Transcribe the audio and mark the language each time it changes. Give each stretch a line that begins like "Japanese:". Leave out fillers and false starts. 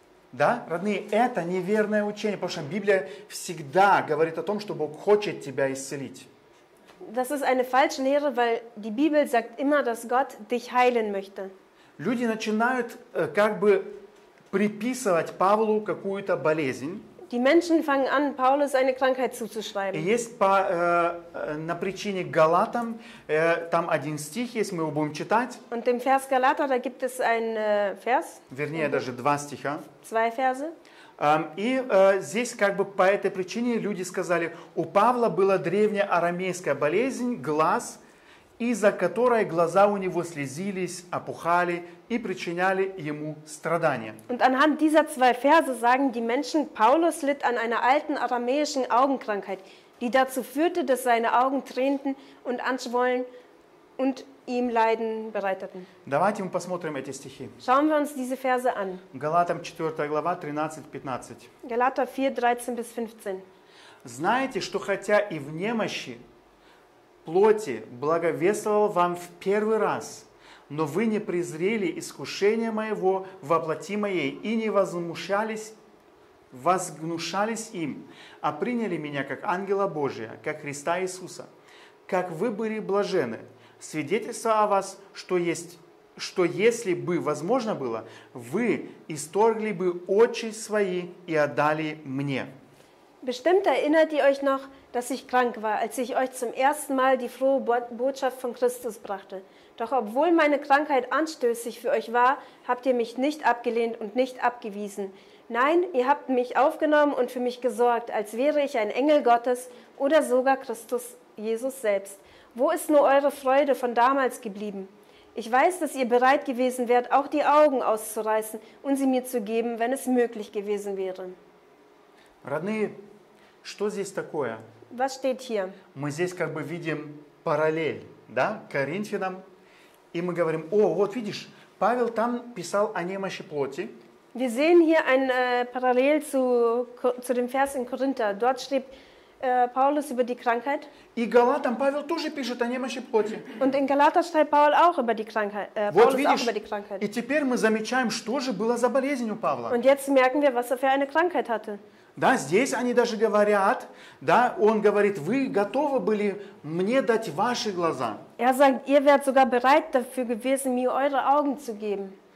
Russian: Да, родные, это неверное учение, потому что Библия всегда говорит о том, что Бог хочет тебя исцелить.
German: Das ist eine falsche Lehre, weil die Bibel sagt immer, dass Gott dich heilen möchte.
Russian: Люди начинают как бы приписывать Павлу какую-то болезнь.
German: Die Menschen fangen an, Paulus eine Krankheit zuzuschreiben.
Russian: Есть по на причине Галатам там один стих есть, мы его будем читать.
German: Und dem Vers Galater, da gibt es einen Vers.
Russian: Вернее, даже два стиха.
German: Zwei Verse.
Russian: И здесь как бы по этой причине люди сказали, у Павла была древняя арамейская болезнь глаз, из-за которой глаза у него слезились, опухали и причиняли ему страдания.
German: Und anhand dieser zwei Verse sagen die Menschen, Paulus litt an einer alten aramäischen Augenkrankheit, die dazu führte, dass seine Augen tränten und anschwollen und ihm Leiden bereiteten.
Russian: Давайте мы посмотрим эти стихи.
German: Schauen wir uns diese Verse an.
Russian: Галатам 4 глава 13-15.
German: Galater 4, 13-15.
Russian: Знаете, что хотя и в немощи плоти благовествовал вам в первый раз, но вы не презрели искушение моего во плоти моей и не возгнушались им, а приняли меня как ангела Божия, как Христа Иисуса. Как вы были блажены, свидетельство о вас, что если бы возможно было, вы исторгли бы очи свои и отдали мне.
German: Bestimmt erinnert ihr euch noch, dass ich krank war, als ich euch zum ersten Mal die frohe Botschaft von Christus brachte. Doch obwohl meine Krankheit anstößig für euch war, habt ihr mich nicht abgelehnt und nicht abgewiesen. Nein, ihr habt mich aufgenommen und für mich gesorgt, als wäre ich ein Engel Gottes oder sogar Christus Jesus selbst. Wo ist nur eure Freude von damals geblieben? Ich weiß, dass ihr bereit gewesen wärt, auch die Augen auszureißen und sie mir zu geben, wenn es möglich gewesen wäre.
Russian: Родные, что здесь такое?
German: Was steht hier?
Russian: Мы здесь как бы видим параллель, да, Коринфянам, и мы говорим: "О, вот видишь, Павел там писал о немощи плоти."
German: Wir sehen hier ein Parallel zu dem Vers in Korinther. Dort schrieb Paulus über die Krankheit.
Russian: И Галатам Павел тоже пишет о немощи плоти.
German: Und in Galater schreibt Paul auch über die Krankheit.
Russian: Вот Paulus видишь,
German: auch über die Krankheit.
Russian: И теперь мы замечаем, что же было за болезнь у Павла.
German: Und jetzt merken wir, was er für eine Krankheit hatte.
Russian: Да, здесь они даже говорят, да, он говорит, вы готовы были мне дать ваши глаза.
German: Er sagt, ihr wärt sogar bereit dafür gewesen, mir eure Augen zu geben.